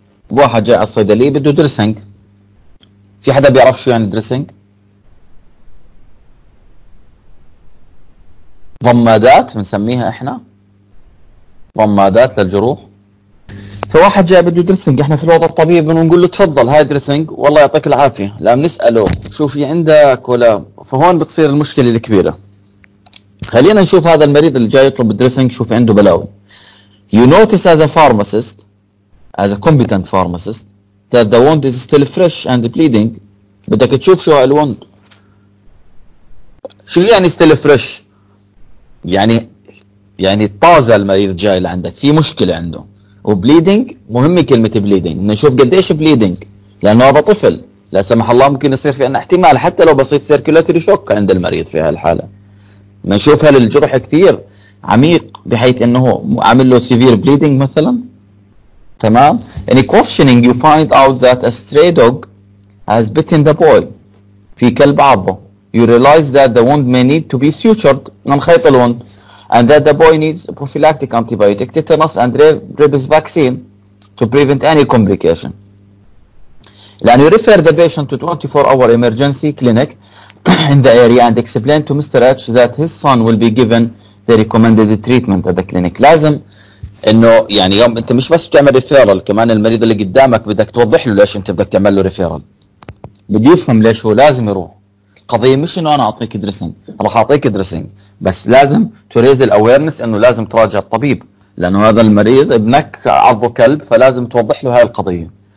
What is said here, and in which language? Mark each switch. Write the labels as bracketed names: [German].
[Arabic] واحد جاي على الصيدليه بده دريسينج. في حدا بيعرف شو يعني دريسينج؟ ضمادات بنسميها احنا، ضمادات للجروح. فواحد جاي بده درسنج، احنا في الوضع الطبيعي بنقول له تفضل هاي درسنج والله يعطيك العافيه، لا بنساله شو في عندك ولا. فهون بتصير المشكله الكبيره. خلينا نشوف هذا المريض اللي جاي يطلب الدرسنج شو في عنده بلاوي. [English] You notice as a pharmacist, as a competent pharmacist, that the wound is still fresh and bleeding. [Arabic] بدك تشوف شو الوند. شو يعني still fresh؟ يعني طازة المريض جاي لعندك، في مشكلة عنده. وبليدنج مهمة كلمة بليدنج، نشوف قديش بليدنج، لأنه هذا طفل لا سمح الله ممكن يصير في عندنا احتمال حتى لو بسيط سيركيولاتوري شوك عند المريض في هالحالة. نشوف هل الجرح كثير عميق بحيث أنه عامل له سيفير بليدنج مثلا. [English] تمام، any questioning you find out that a stray dog has bitten the boy، في كلب عضه. You realize that the wound may need to be sutured, ننخيط الوند. And that the boy needs a prophylactic antibiotic, tetanus and rabies vaccine to prevent any complication. Then you refer the patient to 24-hour emergency clinic in the area and explain to Mr. H that his son will be given the recommended treatment at the clinic. [Arabic] لازم انه يعني يوم انت مش بس بتعمل ريفيرال، كمان المريض اللي قدامك بدك توضح له ليش انت بدك تعمل له ريفيرال. بده يفهم ليش هو لازم يروح. قضية مش انه انا اعطيك دريسنج، راح اعطيك دريسنج، بس لازم تريز الاويرنس انه لازم تراجع الطبيب، لانه هذا المريض ابنك عضو كلب فلازم توضح له هاي القضية.